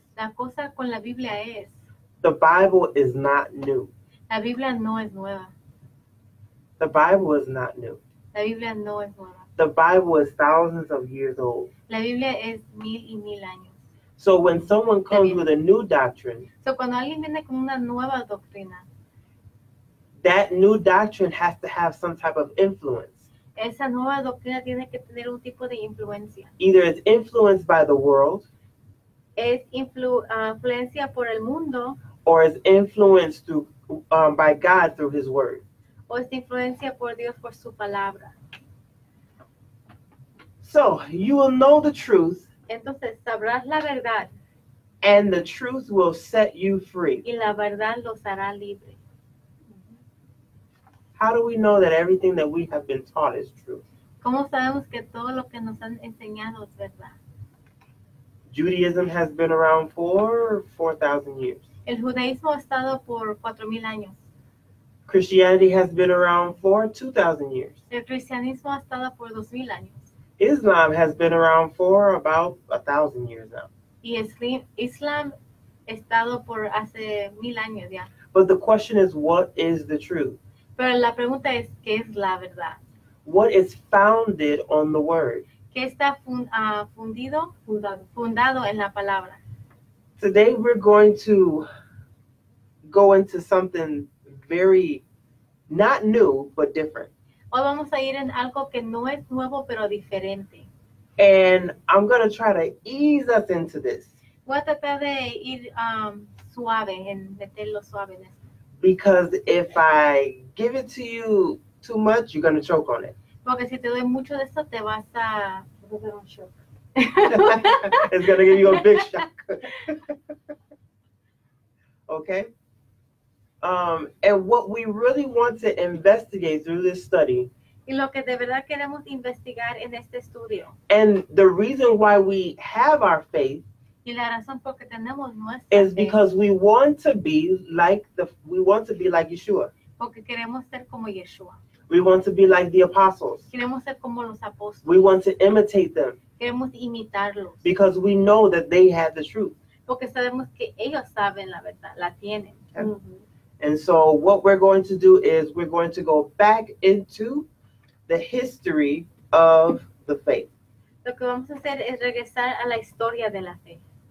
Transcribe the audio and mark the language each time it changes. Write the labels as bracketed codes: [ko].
[es] la cosa con la Biblia es, [en] the Bible is not new. [es] La Biblia no es nueva. [en] The Bible is not new. [es] La Biblia no es nueva. [en] The Bible is thousands of years old. [es] La Biblia es mil y mil años. [en] So when someone comes with a new doctrine, [es] so cuando alguien viene con una nueva doctrina, [en] that new doctrine has to have some type of influence. [es] Esa nueva doctrina tiene que tener un tipo de influencia. [en] Either it's influenced by the world, [es] es influencia por el mundo, [en] or it's influenced by God through His word. [es] O es influencia por Dios por su palabra. [en] So you will know the truth. [es] Entonces, sabrás la verdad. [en] And the truth will set you free. [es] Y la verdad los hará libre. [en] How do we know that everything that we have been taught is true? [es] ¿Cómo sabemos que todo lo que nos han enseñado es verdad? [en] Judaism has been around for 4,000 years. [es] El judaísmo ha estado por 4,000 años. [en] Christianity has been around for 2,000 years. [es] El cristianismo ha estado por 2,000 años. [en] Islam has been around for about 1,000 years now. [es] Y Islam ha estado por hace 1,000 años ya. [en] But the question is, what is the truth? [es] Pero la pregunta es, ¿qué es la verdad? [en] What is founded on the word? [es] ¿Qué está fundado en la palabra? [en] Today we're going to go into something very, not new, but different. [es] Hoy vamos a ir en algo que no es nuevo, pero diferente. [en] And I'm going to try to ease us into this. [es] Voy a tratar de ir suave, en meterlo suave en esto. [en] Because if I give it to you too much, you're going to choke on it. [es] Porque si te doy mucho de esto, te vas a... [en] It's going to give you a big shock. Okay? And what we really want to investigate through this study. [es] Y lo que de verdad queremos investigar en este estudio. [en] And the reason why we have our faith. [es] Y la razón por que tenemos nuestra [en] is because fe. we want to be like Yeshua. [es] Porque queremos ser como Yeshua. [en] We want to be like the apostles. [es] Queremos ser como los apóstoles. [en] We want to imitate them. [es] Queremos imitarlos. [en] Because we know that they had the truth. [es] Porque sabemos que ellos saben la verdad, la tienen. [en] And, and so what we're going to do is we're going to go back into the history of the faith. [es] Lo que vamos a hacer es regresar a la historia de la fe.